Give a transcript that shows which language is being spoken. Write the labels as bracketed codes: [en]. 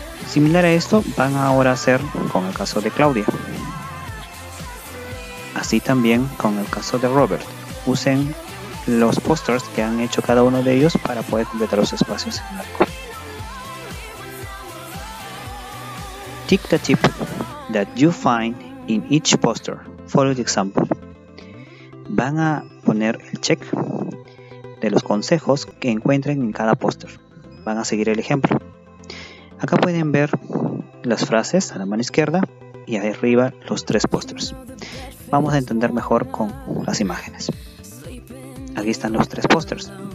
[es] Similar a esto, van ahora a hacer con el caso de Claudia. Así también con el caso de Robert. Usen los posters que han hecho cada uno de ellos para poder completar los espacios en blanco. [en] Tick the tip that you find in each poster. Follow the example. [es] Van a poner el check de los consejos que encuentren en cada póster. Van a seguir el ejemplo. Acá pueden ver las frases a la mano izquierda y arriba los tres pósters. Vamos a entender mejor con las imágenes. Aquí están los tres pósters.